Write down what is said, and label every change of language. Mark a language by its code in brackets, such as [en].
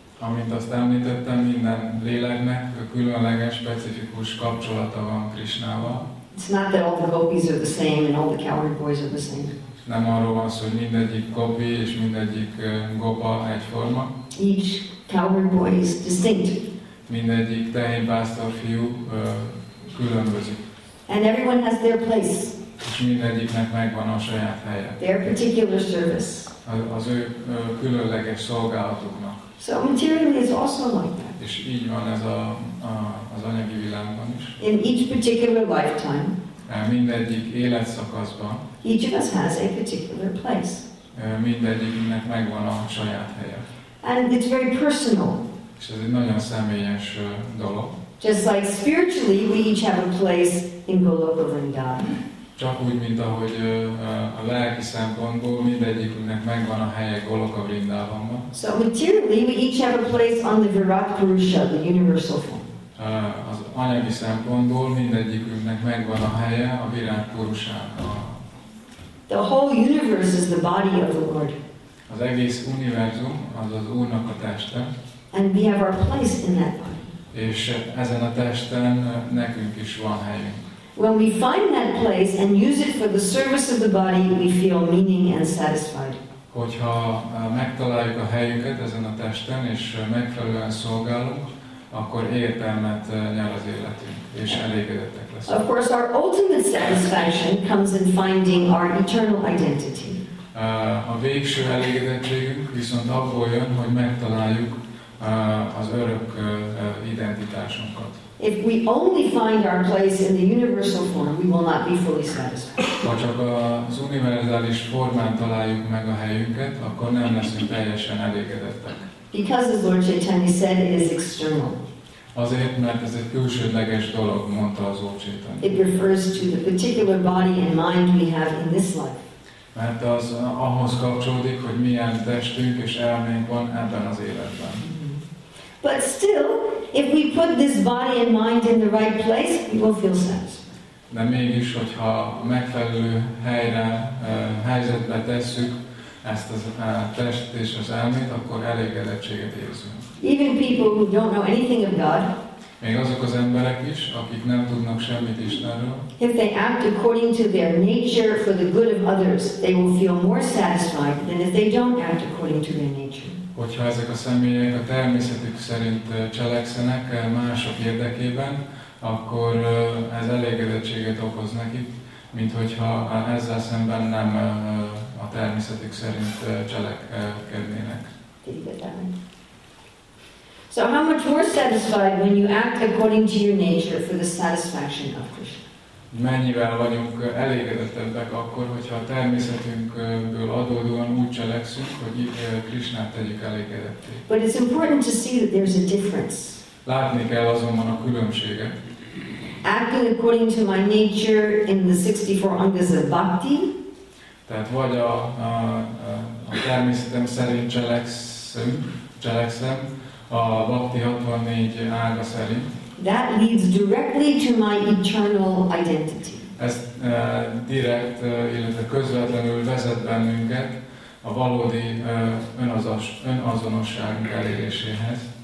[hu] Amint azt említettem, minden léleknek különleges, specifikus kapcsolata van Krishnával. [en] It's not that all the gopis are the same and all the cowherd boys are the same. [hu] Nem arról van szó, hogy mindegyik gopi és mindegyik gopa egyforma. [en] Each cowherd boy is distinct. [hu] Mindegyik tehénpásztor fiú különbözik. [en] And everyone has their place. [hu] És mindegyiknek megvan a saját helye. [en] Their particular service. [hu] Az ő különleges szolgálatuknak. [en] So materially is also like that. [hu] És így van ez az anyagi világban is. [en] In each particular lifetime. [hu] Mindegyik életszakaszban. [en] Each of us has a particular place. [hu] Mindegyiknek megvan a saját helye. [en] And it's very personal. [hu] És ez egy nagyon személyes dolog. [en] Just like spiritually, we each have a place in Goloka Vrindavan. [hu] Csak úgy, mint ahogy a lelki szempontból mindegyikünknek megvan a helye Goloka Vrindavanban. [en] So materially, we each have a place on the Virat Purusha, the universal form. [hu] Az anyagi szempontból mindegyikünknek megvan a helye a Virat Purushának. [en] The whole universe is the body of the Lord. [hu] Az egész univerzum az az Úrnak a teste. [en] And we have our place in that body. [hu] És ezen a testen nekünk is van helyünk. [en] When we find that place and use it for the service of the body, we feel meaning and satisfied. [hu] Hogyha megtaláljuk a helyünket ezen a testen és megfelelően szolgálunk, akkor értelmet nyer az életünk, és elégedettek leszünk. [en] Of course, our ultimate satisfaction comes in finding our eternal identity. [hu] A végső elégedettségünk viszont abból jön, hogy megtaláljuk az örök identitásunkat. [en] If we only find our place in the universal form, we will not be fully satisfied. [hu] Ha csak az univerzális formán találjuk meg a helyünket, akkor nem leszünk teljesen elégedettek. [en] Because as Lord Chaitanya said, it is external. [hu] Azért, mert ez egy külsődleges dolog, mondta az Lord Chaitanya. [en] It refers to the particular body and mind we have in this life. [hu] Mert az ahhoz kapcsolódik, hogy milyen testünk és elménk van ebben az életben. [en] But still, if we put this body and mind in the right place, we will feel satisfied. [hu] De mégis, hogyha megfelelő helyre, helyzetbe tesszük ezt a test és az elmét, akkor elégedettséget érzünk. [en] Even people who don't know anything of God, [hu] még azok az emberek is, akik nem tudnak semmit Istenről, [en] if they act according to their nature for the good of others, they will feel more satisfied than if they don't act according to their nature. [hu] Hogyha ezek a személyek a természetük szerint cselekszenek mások érdekében, akkor ez elégedettséget okoz nekik, mint hogyha ezzel szemben nem a természetük szerint cselekednének. [en] So how much more satisfied when you act according to your nature for the satisfaction of Krishna? [hu] Mennyivel vagyunk elégedettebbek akkor, hogyha a természetünkből adódóan úgy cselekszünk, hogy Krishnát tegyük elégedetté. [en] But it's important to see that there's a difference. [hu] Látni kell azonban a különbséget. [en] Acting according to my nature in the 64 angas of bhakti. [hu] Tehát vagy a természetem szerint cselekszem, a bhakti 64 ága szerint. [en] That leads directly to my eternal identity. [hu] Ez direkt, illetve közvetlenül vezet bennünket a valódi önazonosságunk eléréséhez.